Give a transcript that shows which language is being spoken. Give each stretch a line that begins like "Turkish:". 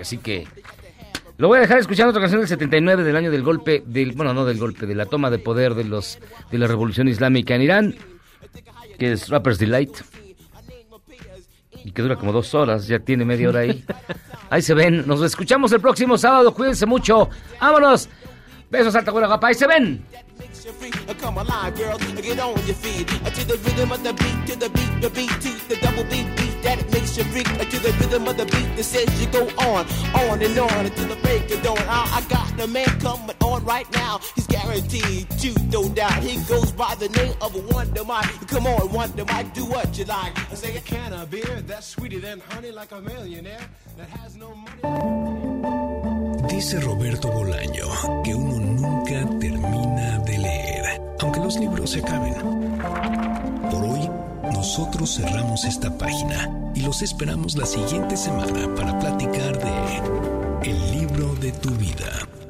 Spanish: Así que lo voy a dejar escuchando otra canción del 79, del año del golpe, de la toma de poder de la revolución islámica en Irán, que es Rapper's Delight, y que dura como 2 horas, ya tiene media hora ahí. Ahí se ven, nos escuchamos el próximo sábado, cuídense mucho, vámonos. Besos, alta buena guapa, ahí se ven.
English: Come alive, girl, get on your feet. To the rhythm of the beat, to the double beat, beat that makes you freak. To the rhythm of the beat that says you go on and on until the break of dawn. I got the man coming on right now. He's guaranteed to throw down. He goes by the name of Wonder Mike. Come on, Wonder Mike, do what you like. I say a can of beer that's sweeter than honey, like a millionaire that has no money.
Spanish: Dice Roberto Bolaño que uno nunca termina de leer, aunque los libros se acaben. Por hoy, nosotros cerramos esta página y los esperamos la siguiente semana para platicar de El Libro de tu Vida.